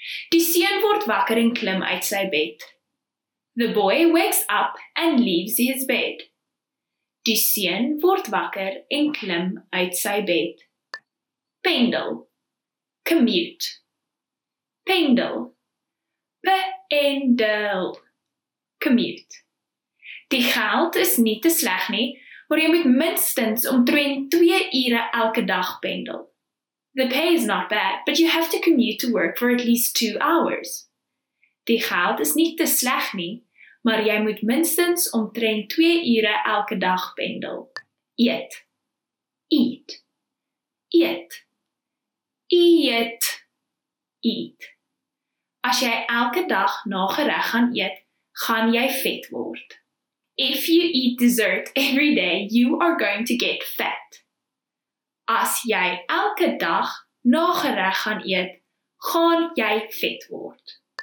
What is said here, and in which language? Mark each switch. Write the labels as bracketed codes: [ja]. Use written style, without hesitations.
[af] Die seun word wakker en klim uit sy bed. [en] The boy wakes up and leaves his bed. [af] Die seun word wakker en klim uit sy bed. Pendel. [en] Commute. [af] Pendel. Pendel. [en] Commute. [af] Die geld is nie te sleg nie, maar jy moet minstens omtrent 2 ure elke dag pendel. [en] The pay is not bad, but you have to commute to work for at least 2 hours. [af] Die geld is nie te sleg nie, maar jy moet minstens omtrent 2 ure elke dag pendel. Eet. [en] Eat. [af] Eet. Eet. Eat. As jy elke dag nagereg gaan eet, gaan jy vet word. [en] If you eat dessert every day, you are going to get fat. [af] As jy elke dag nagereg gaan eet, gaan jy vet word.